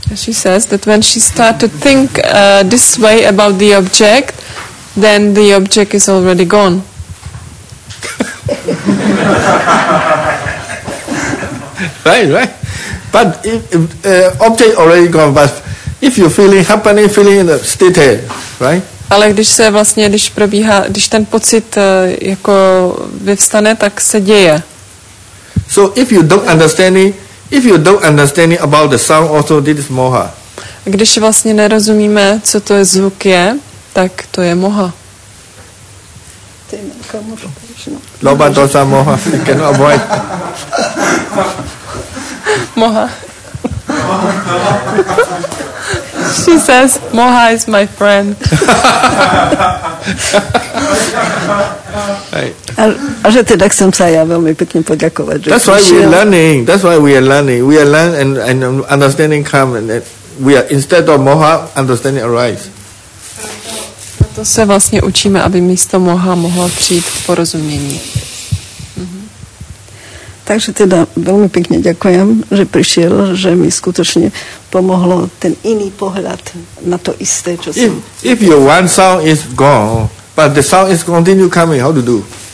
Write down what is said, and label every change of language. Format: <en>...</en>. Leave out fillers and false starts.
<en>She says that when she starts to think this way about the object, then the object is already gone. Right. But if object already gone, but if you feeling happening, feeling in the state, right?</en> <cs>Ale když se vlastně, když probíhá, když ten pocit jako vyvstane, tak se děje.</cs> <en>So if you don't understand it, if you don't understand it about the sound also, this is moha.</en> <cs>Když vlastně nerozumíme, co to je zvuk je, tak to je moha.</cs> <en>Loba dosa moha, cannot avoid. Moha. She says, moha is my friend.</en> <sk>A že teda chcem sa ja veľmi pekne poďakovať.</sk> <en>That's why we are learning. We are learning and understanding come. And we are, instead of moha, understanding arise.</en> <cs>To se vlastně učíme, aby místo moha mohlo přijít k porozumění.</cs> <sk>Takže teda veľmi pekne ďakujem, že prišiel, že mi skutočne pomohlo ten iný pohľad na to isté, čo som...</sk> <en>If your one sound is gone, but the sound is continue coming, how to do?</en>